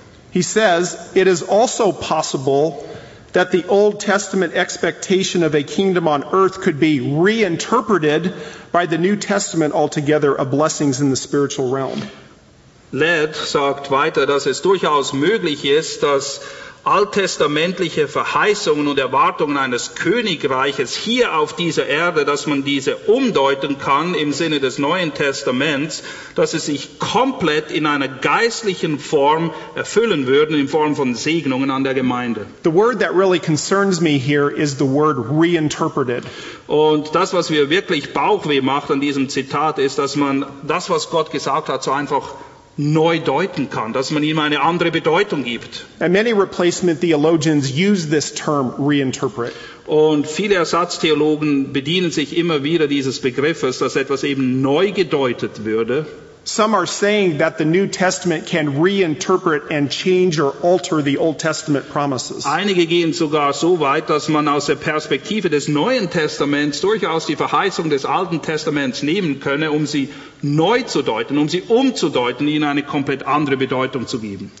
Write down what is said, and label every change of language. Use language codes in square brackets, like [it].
[en] He says, it is also possible that the Old Testament expectation of a kingdom on earth could be reinterpreted by the New Testament altogether of blessings in the spiritual realm. [de] Led sagt weiter, dass es durchaus möglich ist, dass alttestamentliche Verheißungen und Erwartungen eines Königreiches hier auf dieser Erde, dass man diese umdeuten kann im Sinne des Neuen Testaments, dass es sich komplett in einer geistlichen Form erfüllen würden, in Form von Segnungen an der Gemeinde. [en] The word that really concerns me here is the word reinterpreted. [de] Und das, was mir wirklich Bauchweh macht an diesem Zitat, ist, dass man das, was Gott gesagt hat, so einfach neu deuten kann, dass man ihm eine andere Bedeutung gibt. [en] And many replacement theologians use this term reinterpret. [de] Und viele Ersatztheologen bedienen sich immer wieder dieses Begriffes, dass etwas eben neu gedeutet würde. [en] Some are saying that the New Testament can reinterpret and change or alter the Old Testament promises. [de] Einige gehen sogar so weit, dass man aus der Perspektive des Neuen Testaments durchaus die Verheißung des Alten Testaments nehmen könne, um sie neu zu deuten, um sie umzudeuten, ihnen eine komplett andere Bedeutung zu geben.